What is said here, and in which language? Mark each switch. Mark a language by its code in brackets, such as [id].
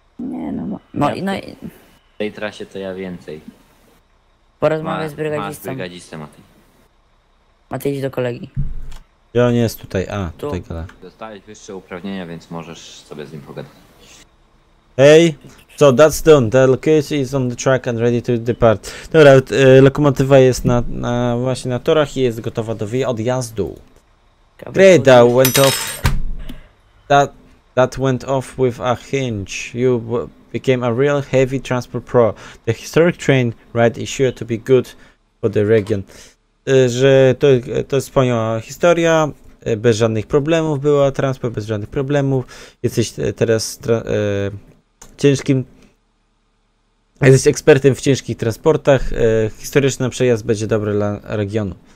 [pl] Nie. W tej trasie to ja więcej. Porozmawiaj z brygadzistą. Masz brygadzistę, Matej. Matej, idź do kolegi. Ja nie jest tutaj, a tu. Tutaj gada. Dostałeś wyższe uprawnienia, więc możesz sobie z nim pogadać. [en] Hej, so that's done. The location is on the track and ready to depart. [pl] Dobra, lokomotywa jest na właśnie na torach i jest gotowa do odjazdu. [en] Great, that went off. That went off with a hinge. You became a real heavy transport pro. The historic train ride is sure to be good for the region. [pl] Że to jest wspaniała historia. Bez żadnych problemów była transport, bez żadnych problemów. Jesteś teraz ciężkim. Jesteś ekspertem w ciężkich transportach. Historyczny przejazd będzie dobry dla regionu.